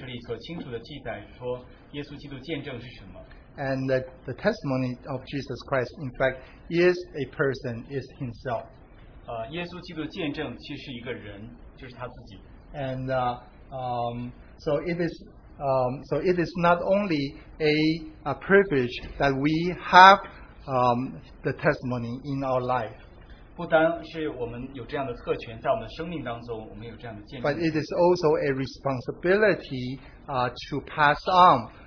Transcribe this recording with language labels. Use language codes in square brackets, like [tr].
[zh] 就像在启示录第一章16节17节这里所清楚的记载说，耶稣基督见证是什么？ [en] And the testimony of Jesus Christ, in fact, is a person, is himself. [zh] 耶稣基督见证其实是一个人，就是他自己。 [en] And so it is not only a privilege that we have the testimony in our life. [zh] 不单是我们有这样的特权，在我们生命当中，我们有这样的见证。 [en] But it is also a responsibility to pass on.